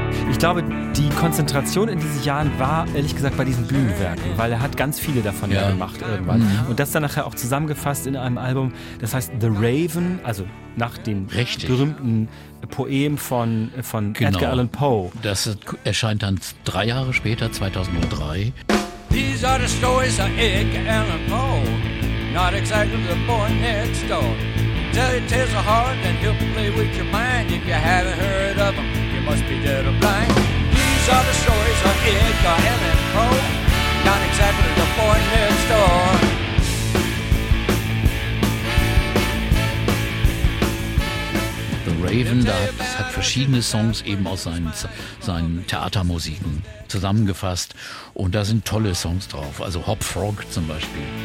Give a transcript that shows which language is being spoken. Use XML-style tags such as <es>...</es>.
<de>Ich glaube, die Konzentration in diesen Jahren war, ehrlich gesagt, bei diesen Bühnenwerken, weil er hat ganz viele davon gemacht irgendwann. Mhm. Und das dann nachher auch zusammengefasst in einem Album, das heißt The Raven, also nach dem berühmten Poem von Edgar Allan Poe. Das erscheint dann drei Jahre später, 2003.</de> <en>These are the stories of Edgar Allan Poe. Not exactly the boy next door. Tell your tales of heart and he'll play with your mind. If you haven't heard of him, you must be dead or blind. These are the stories of Edgar Allan Poe. Not exactly the boy next door.</en> <de>Raven, das hat verschiedene Songs eben aus seinen Theatermusiken zusammengefasst. Und da sind tolle Songs drauf. Also Hop Frog zum Beispiel.</de>